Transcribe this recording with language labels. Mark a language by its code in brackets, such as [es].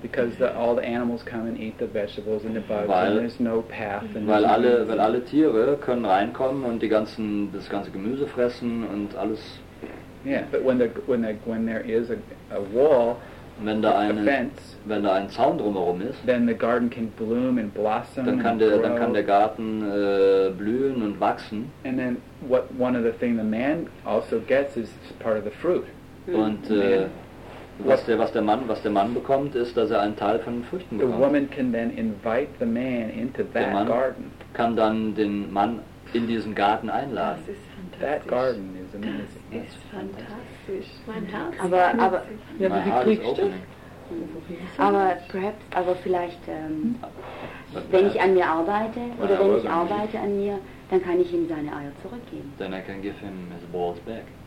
[en] Because all the animals come and eat the vegetables and the bugs, [de] weil, [en] and there's no path. And [de] weil alle Tiere können reinkommen und das ganze Gemüse fressen und alles. [en] Yeah, but when there is a wall, [de] wenn da eine, [en] a fence, [de] wenn da ein Zaun drumherum ist, [en] then the garden can bloom and blossom. [de] Dann kann der Garten blühen und wachsen. [en] And then what one of the thing the man also gets is part of the fruit. [de] Und was der Mann bekommt, ist, dass er einen Teil von den Früchten bekommt. [en] The woman can then invite the man into that garden. [de] Der Mann kann dann den Mann in diesen Garten einladen. [en] That garden is amazing. [de] Das ist fantastisch. Mein Herz. Aber ja, wie kriegst du? Aber vielleicht, wenn ich an mir arbeite, oder wenn ich arbeite an mir, dann kann ich ihm seine Eier zurückgeben. [en] Then I can give him his balls back.